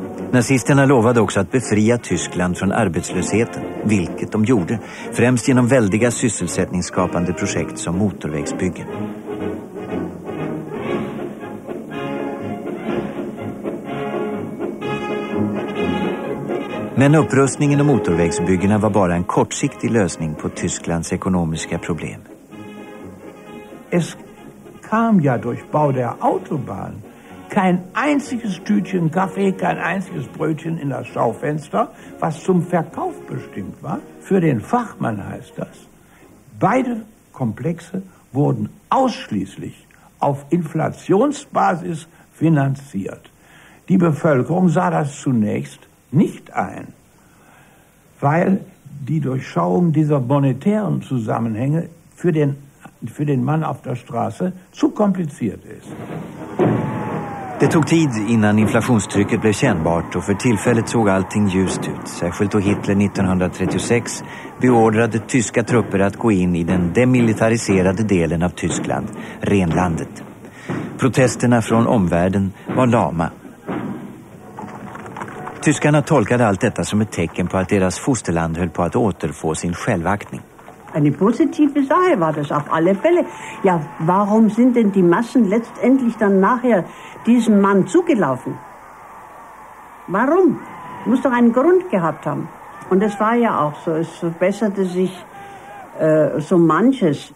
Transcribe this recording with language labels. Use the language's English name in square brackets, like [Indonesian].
[Swedish] Nazisterna lovade också att befria Tyskland från arbetslösheten, vilket de gjorde, främst genom väldiga sysselsättningsskapande projekt som motorvägsbyggen. Men upprustningen och motorvägsbyggena var bara en kortsiktig lösning på Tysklands ekonomiska problem. [German] Es kam ja durch Bau der Autobahn kein einziges Tütchen Kaffee, kein einziges Brötchen in das Schaufenster, was zum Verkauf bestimmt war. Für den Fachmann heißt das, beide Komplexe wurden ausschließlich auf Inflationsbasis finanziert. Die Bevölkerung sah das zunächst nicht ein, weil die Durchschauung dieser monetären Zusammenhänge für den Mann auf der Straße zu kompliziert ist. [Swedish] Det tog tid innan inflationstrycket blev kännbart och för tillfället såg allting ljust ut, särskilt då Hitler 1936 beordrade tyska trupper att gå in i den demilitariserade delen av Tyskland, Rhenlandet. Protesterna från omvärlden var lama. Tyskarna tolkade allt detta som ett tecken på att deras fosterland höll på att återfå sin självaktning. [German] Eine positive Sache war das auf alle Fälle. Ja, warum sind denn die Massen letztendlich dann nachher diesem Mann zugelaufen? Warum? Muss doch einen Grund gehabt haben. Und es war ja auch so, es verbesserte sich so manches.